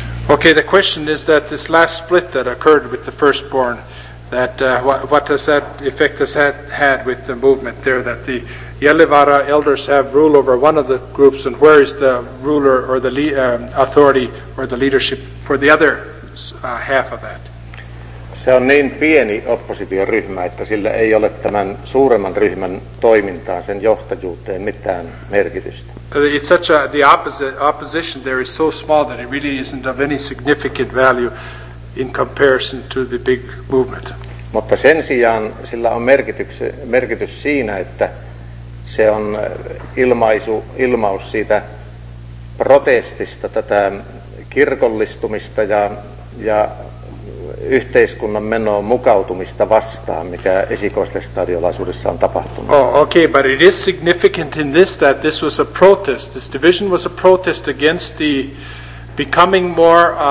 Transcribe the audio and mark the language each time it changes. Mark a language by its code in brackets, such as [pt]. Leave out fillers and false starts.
[en] Okay, the question is that this last split that occurred with the Firstborn, that what does that effect has that had with the movement there, that the Yelivara elders have rule over one of the groups, and where is the ruler or the authority or the leadership for the other half of that? [fi] Se on niin pieni oppositioryhmä, että sillä ei ole tämän suuremman ryhmän toimintaan, sen johtajuuteen mitään merkitystä. [en] It's such a, the opposition there is so small that it really isn't of any significant value in comparison to the big movement. [fi] Mutta sen sijaan sillä on merkitys siinä, että se on ilmaus siitä protestista, tätä kirkollistumista ja yhteiskunnan menoon mukautumista vastaan, mikä esikoislestadiolaisuudessa on tapahtunut. [en] Oh, okay, but it is significant in this that this was a protest. This division was a protest against the becoming more